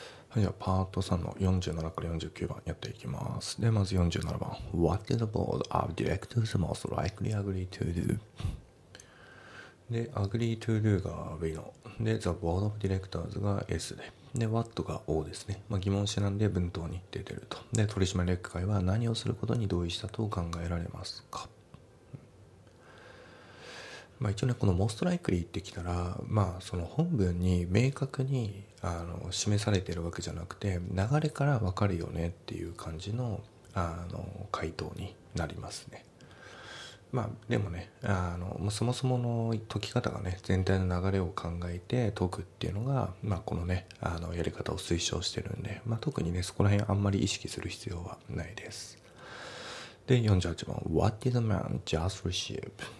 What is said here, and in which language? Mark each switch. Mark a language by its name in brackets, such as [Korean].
[Japanese] はい、パート3の47から49番やっていきます。で、まず47番。 [English] What did the board of directors most likely agree to do? [Japanese] で、agree to do が V の。で、the board of directors が S で。で、what が O ですね。まあ、疑問詞なんで文頭に出てると。で、取締役会は何をすることに同意したと考えられますか。まあ、一応ね、この most likely ってきたら、まあ、その本文に明確に示されているわけじゃなくて、流れから分かるよねっていう感じ の回答になりますね。まあでもね、そもそもの解き方がね、全体の流れを考えて解くっていうのが、まあ、このね、やり方を推奨してるんで、まあ、特にね、そこら辺あんまり意識する必要はないです。で、48番 [English] What did the man just receive?